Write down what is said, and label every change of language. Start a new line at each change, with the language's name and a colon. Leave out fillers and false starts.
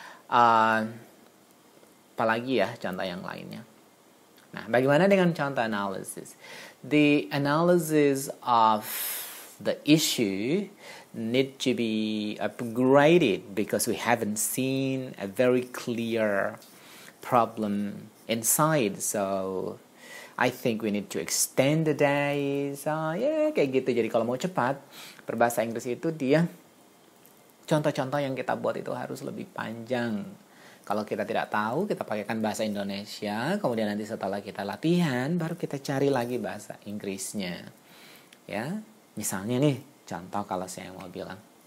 Indonesian: Apalagi ya contoh yang lainnya. Nah, bagaimana dengan contoh analysis?
English: The analysis of the issue need to be upgraded because we haven't seen a very clear problem inside. So I think we need to extend the day. So yeah,
Indonesian: kayak gitu. Jadi kalau mau cepat, berbahasa Inggris itu dia contoh-contoh yang kita buat itu harus lebih panjang. Kalau kita tidak tahu, kita pakaikan bahasa Indonesia. Kemudian nanti setelah kita latihan, baru kita cari lagi bahasa Inggrisnya. Ya, misalnya nih, contoh kalau saya mau bilang.